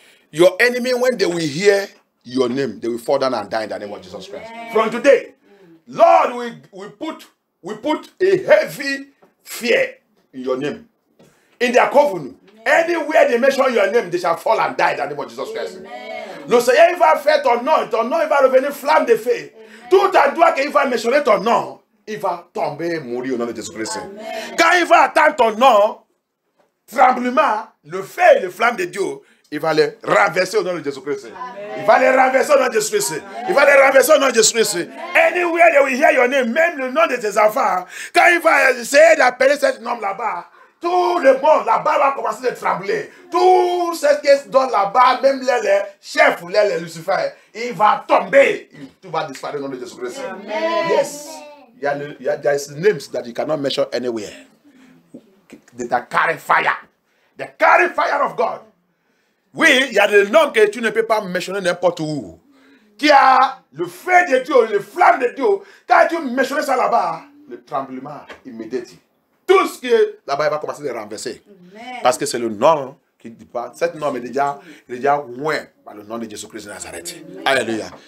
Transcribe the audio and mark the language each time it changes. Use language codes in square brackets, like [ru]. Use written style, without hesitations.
[en] Your enemy, when they will hear your name, they will fall down and die in the name of Jesus Christ. From today, Lord, we put a heavy fear in your name. In their covenant, anywhere they mention your name, they shall fall and die in the name of Jesus Christ. [fr] Le Seigneur, il va faire ton nom, ton nom, il va revenir flamme de feu. Tout en toi qu'il va mentionner ton nom, il va tomber et mourir au nom de Jésus Christ. Quand il va attendre ton nom, tremblement, le feu et les flammes de Dieu, il va les renverser au nom de Jésus Christ. Il va les renverser au nom de Jésus Christ. Il va les renverser au nom de Jésus Christ. [en] Anywhere they will hear your name, [fr] même le nom de tes enfants, quand il va essayer d'appeler cet homme là-bas, tout le monde là-bas va commencer à trembler. Tout ce qui est dans là-bas, même les chefs, les Lucifer, il va tomber. Tout va disparaître au nom de Jésus Christ. Amen. [en] Yes. There is names that you cannot mention anywhere. The carry fire. The carry fire of God. [fr] Oui, il y a des noms que tu ne peux pas mentionner n'importe où. Qui a le feu de Dieu, le flamme de Dieu. Quand tu mentionnes ça là-bas, le tremblement immédiat. Tout ce qui est là-bas, il va commencer à les renverser. Parce que c'est le nom qui dit pas. Cet nom est déjà moins par le nom de Jésus-Christ de Nazareth. Alléluia.